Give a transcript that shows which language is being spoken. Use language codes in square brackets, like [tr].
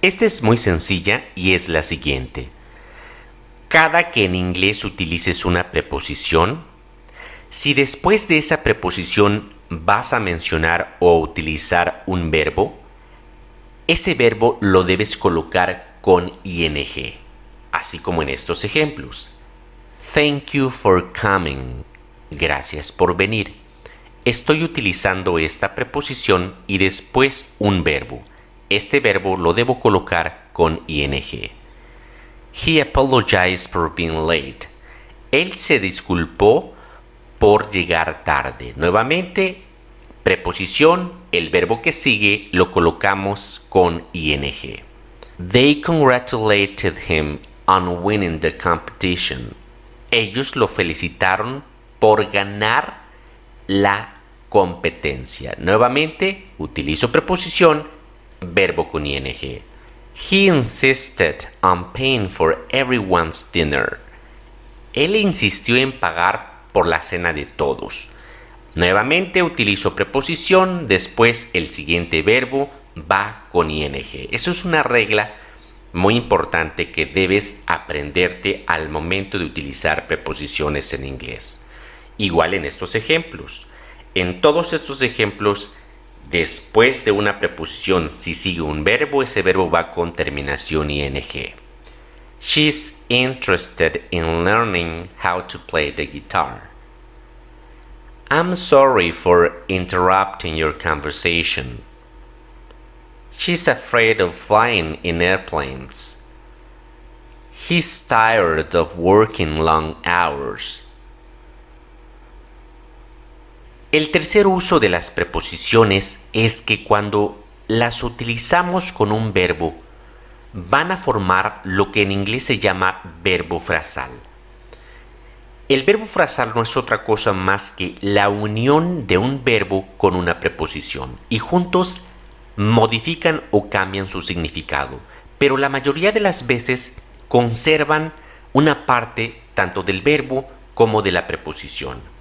[es] Esta es muy sencilla y es la siguiente. Cada que en inglés utilices una preposición, si después de esa preposición vas a mencionar o utilizar un verbo, ese verbo lo debes colocar con ing, así como en estos ejemplos. [en] Thank you for coming. Gracias por venir. [es] Estoy utilizando esta preposición y después un verbo. Este verbo lo debo colocar con ing. [en] He apologized for being late. [es] Él se disculpó por llegar tarde. Nuevamente, preposición, el verbo que sigue lo colocamos con ing. [en] They congratulated him on winning the competition. Ellos lo felicitaron por ganar [es] la competencia. Nuevamente, utilizo preposición, verbo con ing. [en] He insisted on paying for everyone's dinner. [es] Él insistió en pagar por la cena de todos. Nuevamente utilizo preposición, después el siguiente verbo va con ing. Eso es una regla muy importante que debes aprenderte al momento de utilizar preposiciones en inglés. Igual en estos ejemplos. En todos estos ejemplos, después de una preposición, si sigue un verbo, ese verbo va con terminación ing. [en] She's interested in learning how to play the guitar. I'm sorry for interrupting your conversation. She's afraid of flying in airplanes. He's tired of working long hours. [es] El tercer uso de las preposiciones es que cuando las utilizamos con un verbo, van a formar lo que en inglés se llama verbo frasal. El verbo frasal no es otra cosa más que la unión de un verbo con una preposición, y juntos modifican o cambian su significado, pero la mayoría de las veces conservan una parte tanto del verbo como de la preposición.